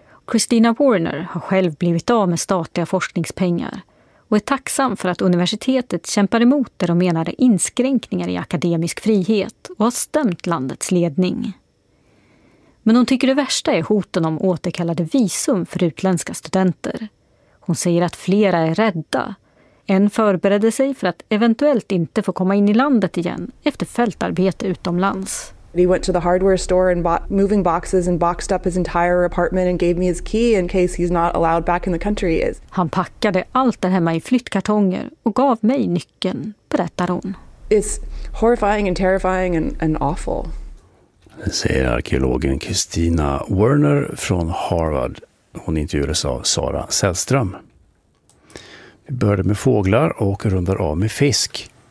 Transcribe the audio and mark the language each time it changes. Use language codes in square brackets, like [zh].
[sv] Christina Werner har själv blivit av med statliga forskningspengar och är tacksam för att universitetet kämpar emot det de menade inskränkningar i akademisk frihet och har stämt landets ledning. Men hon tycker det värsta är hoten om återkallade visum för utländska studenter. Hon säger att flera är rädda. En förberedde sig för att eventuellt inte få komma in i landet igen efter fältarbete utomlands. [en] He went to the hardware store and bought moving boxes and boxed up his entire apartment and gave me his key in case he's not allowed back in the country. [sv] Han packade allt där hemma i flyttkartonger och gav mig nyckeln, berättar hon. [en] It's horrifying and terrifying and awful. [sv] Säger arkeologen Christina Werner från Harvard. Hon intervjuades av Sara Sällström. Vi började med fåglar och rundar av med fisk.